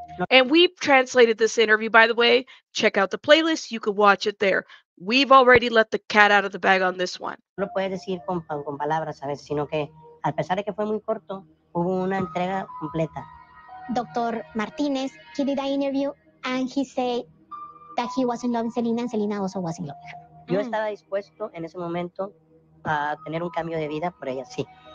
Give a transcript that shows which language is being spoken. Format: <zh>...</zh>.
<en>And we translated this interview, by the way. Check out the playlist. You can watch it there. We've already let the cat out of the bag on this one.</en> <es>No puedes decir con palabras, ¿sabes? Sino que, a pesar de que fue muy corto, hubo una entrega completa.</es> <en>Dr. Martinez, he did that interview, and he said that he was in love with Selena, and Selena also was in love with her.</en> <es>Yo estaba dispuesto en ese momento a tener un cambio de vida por ella, sí.</es>